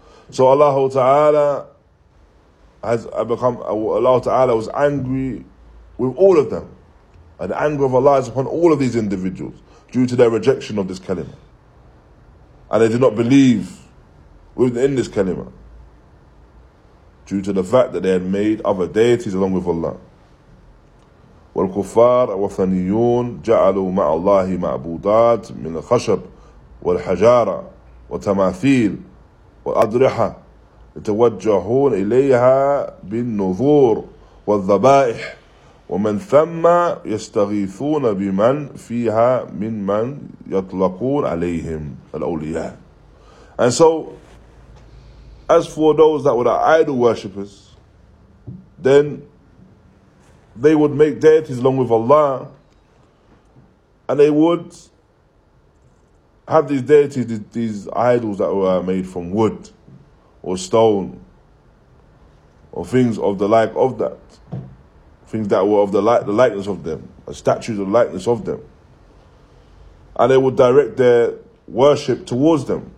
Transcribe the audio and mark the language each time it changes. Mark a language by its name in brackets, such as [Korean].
[English] So Allah Ta'ala was angry with all of them. And the anger of Allah is upon all of these individuals due to their rejection of this kalima. And they did not believe within this kalima due to the fact that they had made other deities along with Allah. [Arabic] والكفار وثنيون جعلوا مع الله معبودات من الخشب والحجارة وتماثيل والأضرحة يتوجهون إليها بالنذور والذبائح ومن ثم يستغيثون بمن فيها ممن يطلقون عليهم الأولياء. [English] And so, as for those that were the idol worshippers, then they would make deities along with Allah, and they would have these deities, these idols that were made from wood or stone or things of the like of that, things that were of the likeness of them, a statue of the likeness of them, and they would direct their worship towards them.